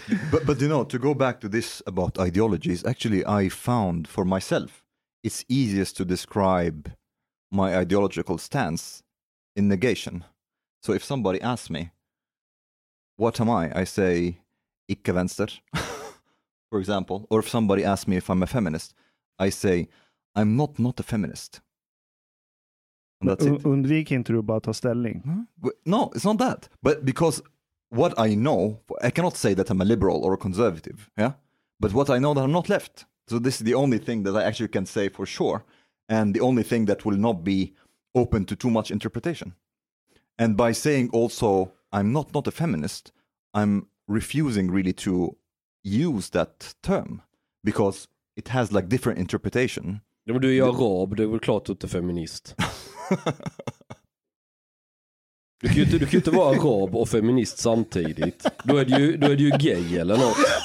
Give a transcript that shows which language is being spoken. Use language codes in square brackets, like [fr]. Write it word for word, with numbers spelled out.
[en] but, but you know, to go back to this about ideologies, actually I found for myself it's easiest to describe my ideological stance in negation. So if somebody asks me, what am I? I say, [sv] icke vänster, [en] for example. Or if somebody asks me if I'm a feminist, I say, I'm not not a feminist. [sv] Un- undvik inte du bara att ta ställning. [en] Huh? No, it's not that. But because what I know, I cannot say that I'm a liberal or a conservative. Yeah. But what I know that I'm not left. So this is the only thing that I actually can say for sure. And the only thing that will not be open to too much interpretation. And by saying also, I'm not not a feminist, I'm refusing really to use that term. Because it has like different interpretation. [sv] Men du är ju arab, du är väl klart inte feminist. Du kan ju inte, du kan ju inte vara arab och feminist samtidigt. Då är du ju, då är du ju gay eller något.